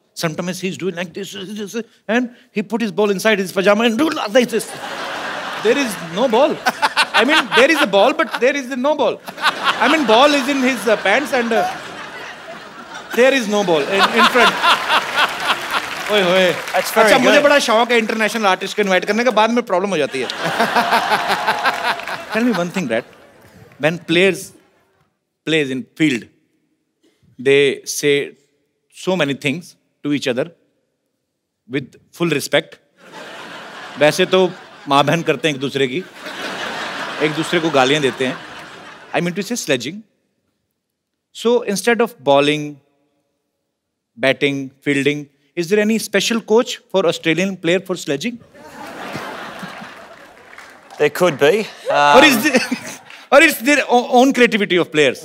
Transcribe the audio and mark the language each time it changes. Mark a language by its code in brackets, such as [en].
[en] Sometimes he's doing like this, and he put his ball inside his pajama and do like this. There is no ball. I mean, there is a ball, but there is no ball. I mean, ball is in his pants and there is no ball in front. Oy, oy. That's very good. [hi] मुझे बड़ा शौक है international artist को invite करने का, बाद में problem हो जाती है. [en] Tell me one thing, Brett. When players plays in field, they say so many things to each other with full respect. [hi] वैसे तो माँ बहन करते हैं एक दूसरे की, एक दूसरे को गालियां देते हैं. [en] I mean to say sledging. So instead of bowling, batting, fielding, is there any special coach for Australian player for sledging? There could be. Or is their own creativity of players?